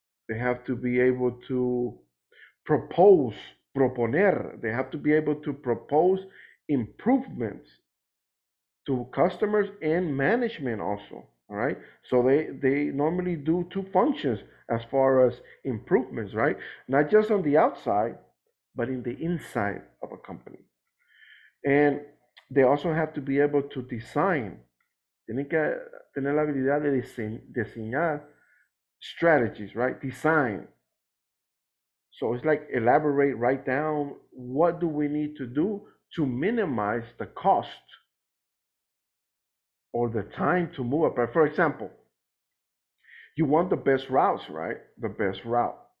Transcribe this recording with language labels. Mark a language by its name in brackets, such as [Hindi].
[English] They have to be able to propose improvements to customers and management also, all right? So they normally do two functions as far as improvements, right? Not just on the outside, but in the inside of a company. And they also have to be able to design. [Spanish] Tienen que tener la habilidad de diseñar [English] strategies, right? Design. So it's like elaborate, write down, what do we need to do to minimize the cost or the time to move up. For example, you want the best routes, right? The best route.